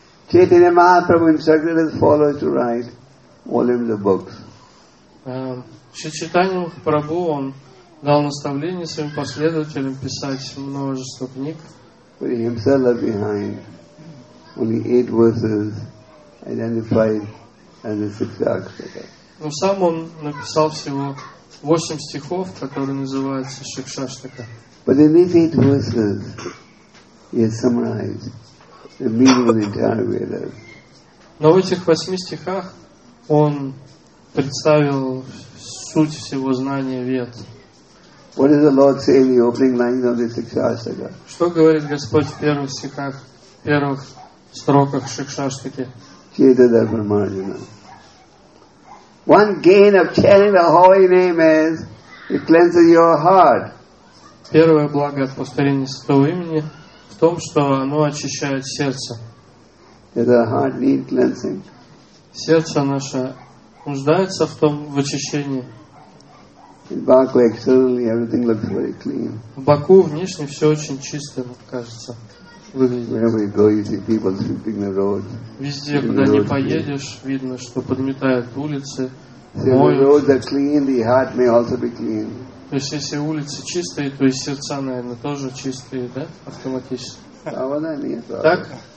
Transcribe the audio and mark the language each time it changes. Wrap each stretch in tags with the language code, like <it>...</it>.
<en>Чайтанья-махапрабху instructed his followers to write volumes of books.</en> <ru>Шри Чайтанья Махапрабху, он дал наставление своим последователям писать множество книг.</ru> <en>But he himself left behind only 8 verses identified as the 6 Акшака.</en> <ru>Но сам он написал всего 8 стихов, которые называются Шикшаштака.</ru> <en>But in these 8 verses he has summarized the meaning of the entire Vedas.</en> <ru>Но в этих 8 стихах он представил суть всего знания Вед.</ru> <en>What does the Lord say in the opening lines of the Шикшаштака?</en> <ru>Что говорит Господь в первых стихах, в первых строках Шикшаштаки? Чайтанья-махапрабху.</ru> <en>One gain of chanting the holy name is it cleanses your heart.</en> <ru>Первое благо от повторения святого имени в том, что оно очищает сердце.</ru> <en>Does our heart need cleansing?</en> <ru>Сердце наше нуждается в том, в очищении.</ru> <en>In Baku, externally, everything looks very clean.</en> <ru>В Баку внешне все очень чисто, кажется, выглядит.</ru> <en>Wherever you go, you see people sweeping the roads.</en> <ru>Везде, куда не поедешь, видно, что подметают улицы, моют.</ru> <en>If the roads are clean, the heart may also be clean.</en> <ru>То есть, если улицы чистые, то и сердца, наверное, тоже чистые, да, автоматически? Так?</ru>